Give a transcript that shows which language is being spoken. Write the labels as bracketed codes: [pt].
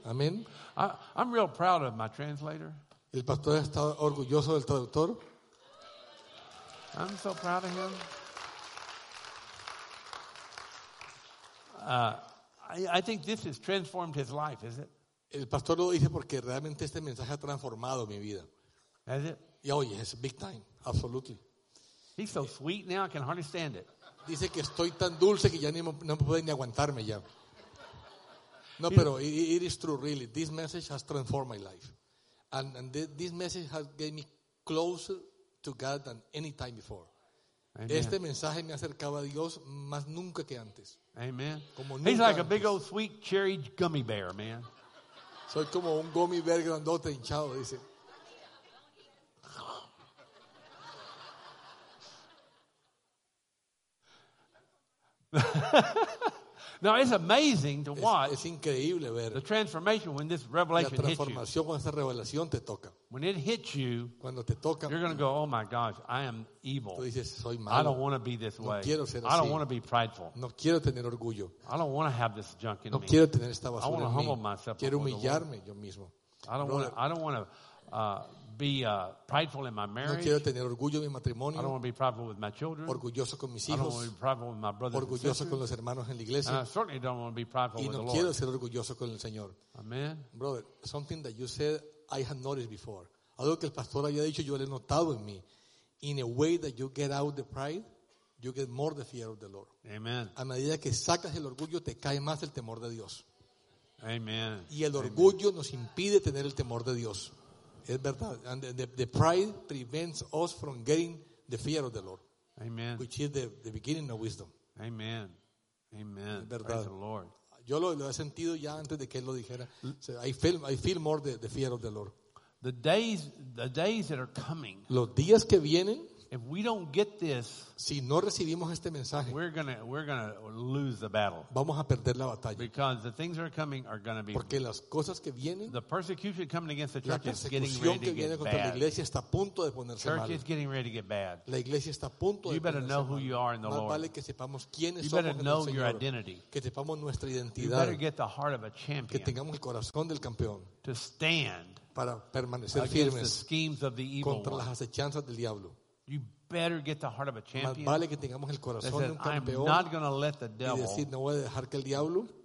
[en] Amen. I'm real proud of my translator. [es] El pastor está orgulloso del traductor. [en] I'm so proud of him. I think this has transformed his life, is it? [es] El pastor lo dice porque realmente este mensaje ha transformado mi vida. [en] Has it? Yeah, oh yes, big time, absolutely. He's so sweet now, I can hardly stand it. [es] Dice que estoy tan dulce que ya no puedo ni aguantarme ya. No, pero [en] it is true, really. This message has transformed my life. And this message has gave me closer to God than any time before. Amen. [es] Este mensaje me acercaba a Dios más nunca que antes. Amen. Como nunca [en] He's like [es] antes. [en] A big old sweet cherry gummy bear, man. [es] Soy como un gummy bear grandote hinchado, dice. [en] Now it's amazing to watch. [es] Es increíble ver [en] the transformation when this revelation hits you. [es] La transformación cuando esta revelación te toca. [en] When it hits you, [es] cuando te toca, [en] you're going to go, "Oh my gosh, I am evil." [es] Tú dices, soy malo. [en] I don't want to be this way. [es] No quiero ser [en] I [es] así. [en] Don't want to be prideful. [es] No quiero tener orgullo. [en] I don't want to have this junk in [es] no [en] me. [es] No quiero tener esta basura [en] I want to [es] en [en] humble [es] mí. [en] Myself. [es] Quiero humillarme yo mismo. [en] I don't want to be prideful in my marriage. [es] No quiero tener orgullo en mi matrimonio. [en] I don't want to be prideful with my children. [es] Orgulloso con mis hijos. [en] I don't want to be prideful with my brothers. [es] Orgulloso con los hermanos en la iglesia. [en] And I certainly don't want to be prideful [es] y no [en] with the [es] quiero [en] Lord. [es] Ser orgulloso con el Señor. [en] Amen. Brother, something that you said I had noticed before. [es] Algo que el pastor había dicho yo le he notado en mí. [en] In a way that you get out the pride, you get more the fear of the Lord. Amen. [es] A medida que sacas el orgullo, te cae más el temor de Dios. Amen. Y el orgullo Amen. Nos impide tener el temor de Dios. Es verdad. [en] And the pride prevents us from getting the fear of the Lord. Amen. Which is the beginning of wisdom. Amen. Amen. [es] Es verdad. [en] Praise the Lord. [es] Yo lo he sentido ya antes de que él lo dijera. [en] I feel more the fear of the Lord. The days that are coming. [es] Los días que vienen. [en] If we don't get this, [es] si no recibimos este mensaje, [en] we're gonna lose the battle. [es] Vamos a perder la batalla. [en] Because the things that are coming are gonna be. [es] Porque las cosas que vienen. [en] The persecution coming against the church is getting ready to get bad. [es] La persecución que viene contra la iglesia está a punto de ponerse mal. [en] Church is getting ready to get bad. [es] La iglesia está a punto de ponerse mal. [en] You better know who you are in the Lord. [es] Más vale que sepamos quiénes somos. [en] You better know your identity. [es] Que sepamos nuestra identidad. [en] You better get the heart of a champion. [es] Que tengamos el corazón del campeón. [en] To stand. [es] Para permanecer firmes. [en] Against the schemes of the evil one. [es] Contra las acechanzas del diablo. [en] You better get the heart of a champion. [es] Más vale que tengamos el corazón de un campeón. [en] I'm not going to let the devil. [es] Y decir, no voy a dejar que el diablo